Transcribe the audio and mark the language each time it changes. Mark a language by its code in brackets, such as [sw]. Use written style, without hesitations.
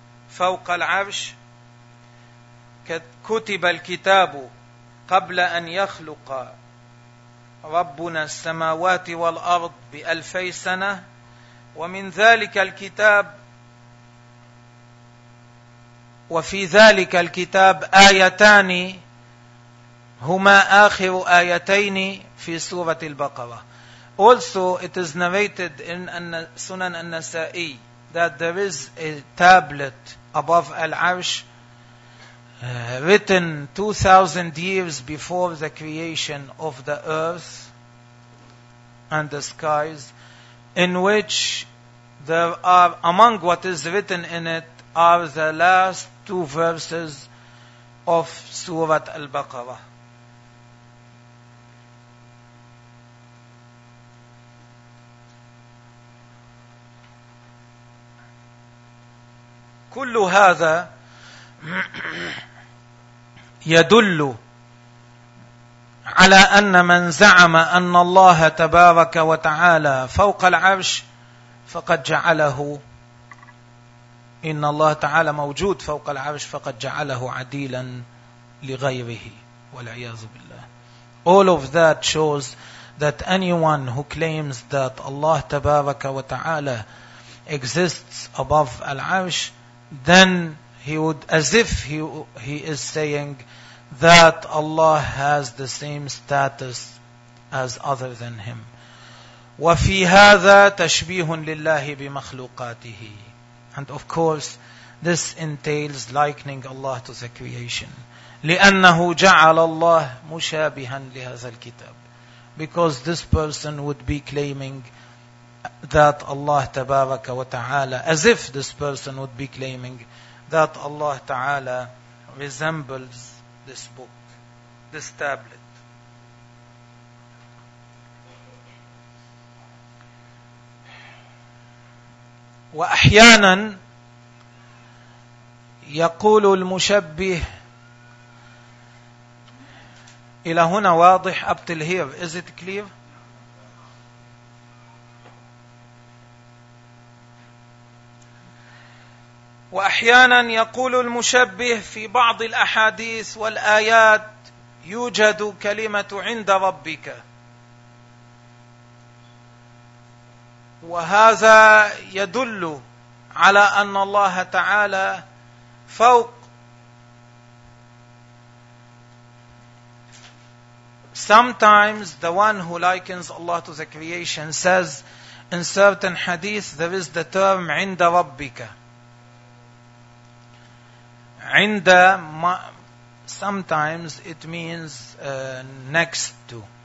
[ar] فوق العرش كتب الكتاب قبل أن يخلق ربنا السماوات والأرض بألفي سنة ومن ذلك الكتاب وفي ذلك الكتاب آيتان هما آخر آيتين في سورة البقرة. [en] Also it is narrated in Sunan An-Nasa'i that there is a tablet above Al-Arsh written 2000 years before the creation of the earth and the skies, in which there are, among what is written in it, are the last two verses of Surah Al-Baqarah. [ar] كل هذا يدل على أن من زعم أن الله تبارك وتعالى فوق العرش فقد جعله إن الله تعالى موجود فوق العرش فقد جعله عديلا لغيره والعياذ بالله. [en] All of that shows that anyone who claims that Allah تبارك وتعالى exists above العرش, then he would, as if he is saying that Allah has the same status as other than him. [ar] وفي هذا تشبيه لله بمخلوقاته. [en] And of course, this entails likening Allah to the creation. [ar] لأنه جعل الله مشابها لهذا الكتاب. [en] Because this person would be claiming that Allah تبارك وتعالى, as if this person would be claiming that Allah Ta'ala resembles this book, this tablet. [ar] وأحيانا يقول المشبه, إلى هنا واضح؟ [en] Up till here, is it clear? [ar] وأحيانا يقول المشبه في بعض الأحاديث والآيات يوجد كلمة عند ربك, وهذا يدل على أن الله تعالى فوق. [en] Sometimes the one who likens Allah to the creation says in certain hadith there is the term عند ربك. عند sometimes it means next to.